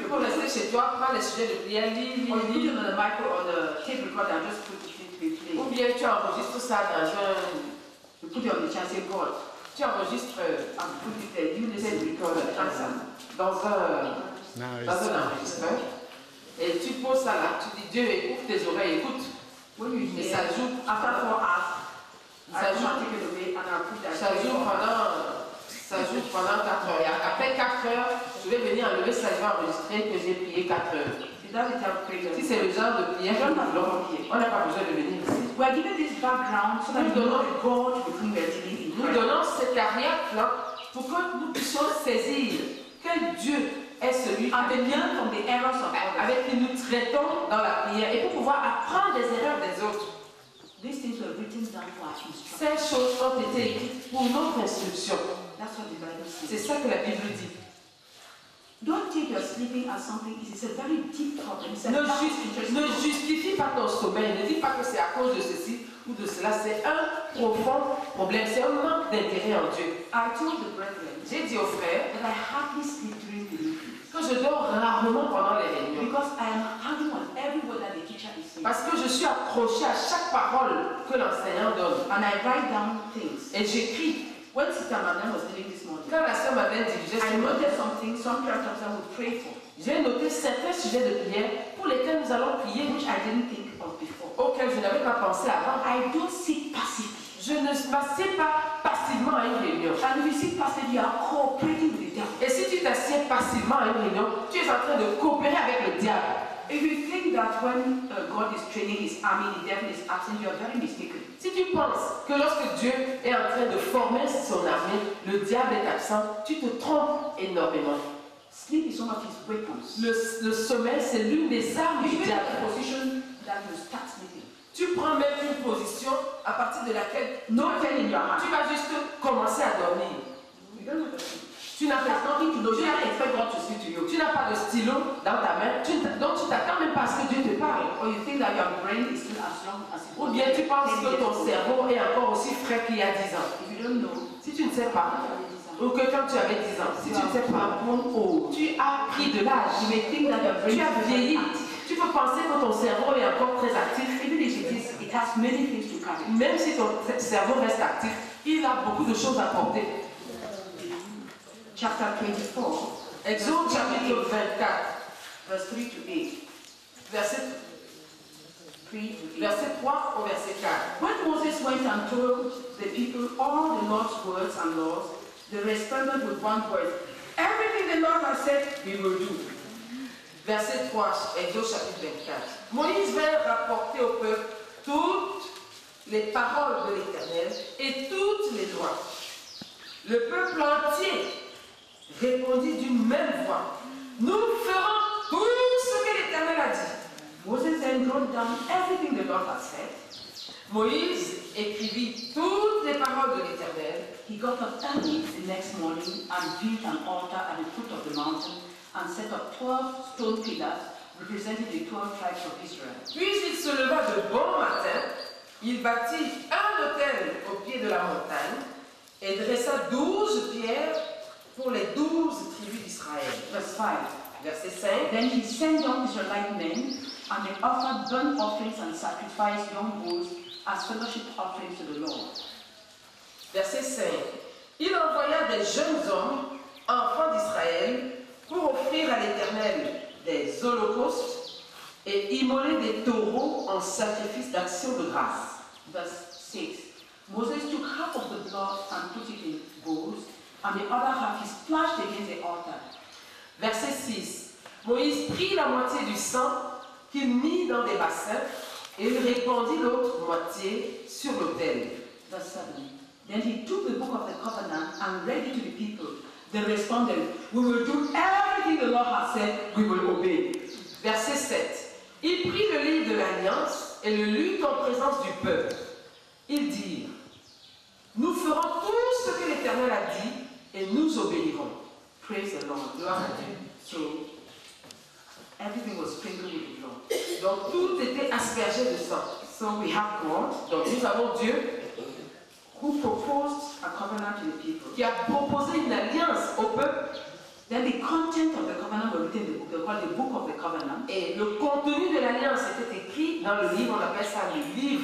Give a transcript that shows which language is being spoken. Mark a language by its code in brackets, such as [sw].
[fr] peux rester chez toi, prendre les sujets de prière, lire. [en] On the micro or the tape recorder and just put it in. [fr] Ou bien tu enregistres ça dans un. [en] You put it on the chat, say God. [fr] Tu enregistres [en] and put it there. You listen to record [fr] dans un enregistreur. Et tu poses ça là, tu dis Dieu, ouvre tes oreilles, écoute. Oui, et ça joue. [en] After 4 hours. [fr] Ça joue pendant 4 heures. Et après 4 heures, je vais venir enlever ça, je vais enregistrer que j'ai prié 4 heures. Si c'est le genre de prière, on n'a pas besoin de venir ici. Nous donnons cet arrière-plan pour que nous puissions saisir quel Dieu est celui avec qui nous traitons dans la prière et pour pouvoir apprendre des erreurs des autres. [en] These things were written down for our instruction. [fr] Ces choses ont été écrites pour notre instruction. [en] That's what the Bible says. [fr] C'est ça que la Bible dit. [en] Don't take your sleeping as something. It's a very deep problem. [fr] Ne justifie pas ton sommeil. Ne dis pas que c'est à cause de ceci ou de cela. C'est un profond problème. C'est un manque d'intérêt en Dieu. [en] I told the brethren. [fr] J'ai dit aux frères. [en] That I hardly sleep during the week. [fr] Que je dors rarement pendant les réunions. [en] Because I am hanging on every word that the teacher is saying. [fr] Parce que je suis accroché à chaque parole que l'enseignant donne. [en] And I write down things. [fr] Et j'écris. [en] When Sister Madeleine was doing this morning, [fr] quand la sœur Madeleine dit, [en] I noted something, some prayer that I would pray for. [fr] J'ai noté certains sujets de prière pour lesquels nous allons prier, [en] which I didn't think of before. [fr] Auxquels je n'avais pas pensé avant. [en] I don't sit passively. [fr] Je ne m'assieds pas passivement à une réunion. [en] And if you sit passively, you are cooperating with the devil. [fr] Et si tu t'assieds passivement à une réunion, tu es en train de coopérer avec le diable. [en] If you think that when God is training his army, the devil is absent, you are very mistaken. [fr] Si tu penses que lorsque Dieu est en train de former son armée, le diable est absent, tu te trompes énormément. [en] Sleep is one of his weapons. [fr] Le sommeil, c'est l'une des armes du diable. [en] Position that you start sleeping. [fr] Tu prends même une position à partir de laquelle tu vas juste commencer à dormir. Tu n'as pas tant de stylo. Tu n'as pas de stylo dans ta main. Donc tu t'attends même pas à ce que Dieu te parle. [en] Or you think that your brain is still as young as it was. [fr] Ou bien tu penses que ton cerveau est encore aussi frais qu'il y a 10 ans. [en] If you don't know, [fr] si tu ne sais pas, ou que quand tu avais 10 ans, si tu ne sais pas, tu as pris de l'âge. [en] You may think that your brain [fr] tu as vieilli. Tu peux penser que ton cerveau est encore très actif. [en] Even if it is, it has many things to carry. [fr] Même si ton cerveau reste actif, il a beaucoup de choses à porter. [en] Chapter 24. [fr] Exode chapitre 24. [en] Verse 3 to 8. [fr] Verset 3 au verset 4. [en] When Moses went and told the people all the Lord's words and laws, they responded with one word. Everything the Lord has said, we will do. [fr] Verset 3, Exode chapitre 24. Moïse vint rapporter au peuple toutes les paroles de l'Éternel et toutes les lois. Le peuple entier répondit d'une même voix. Nous ferons tout ce que l'Éternel a dit. [en] Moses then wrote down everything the Lord had said. [fr] Moïse écrivit toutes les paroles de l'Éternel. [en] He got up early the next morning and built an altar at the foot of the mountain and set up 12 stone pillars representing the 12 tribes of Israel. [fr] Puis il se leva de bon matin, il bâtit un autel au pied de la montagne et dressa 12 pierres pour les 12 tribus d'Israël. [en] Verse 5. [fr] Verset 5. [en] Then he sent down Israelite men, and they offered burnt offerings and sacrificed young bulls as fellowship offerings to the Lord. [fr] Verset 5. Il envoya des jeunes hommes, enfants d'Israël, pour offrir à l'Éternel des holocaustes et immoler des taureaux en sacrifice d'action de grâce. [en] Verse 6. Moses took half of the blood and put it in bowls, and the other half he splashed against the altar. [fr] Verset 6. Moïse prit la moitié du sang qu'il mit dans des bassins et il répandit l'autre moitié sur l'autel. [en] Verse 7. Then he took the book of the covenant and read it to the people. They responded, "We will do everything the Lord has said, we will obey." [fr] Verset 7. Il prit le livre de l'Alliance et le lut en présence du peuple. Ils dirent, nous ferons tout ce que l'Éternel a dit et nous obéirons. [en] Praise the Lord. [fr] Gloire à Dieu. [en] So, everything was sprinkled with blood. [fr] Donc tout était aspergé de sang. [en] So we have God. [fr] Donc nous avons Dieu. [en] Who proposed a covenant to the people. [fr] Qui a proposé une alliance au peuple. [en] Then the content of the covenant was written in the book, they called the book of the covenant. [fr] Et le contenu de l'alliance était écrit dans le livre, on appelle ça le livre.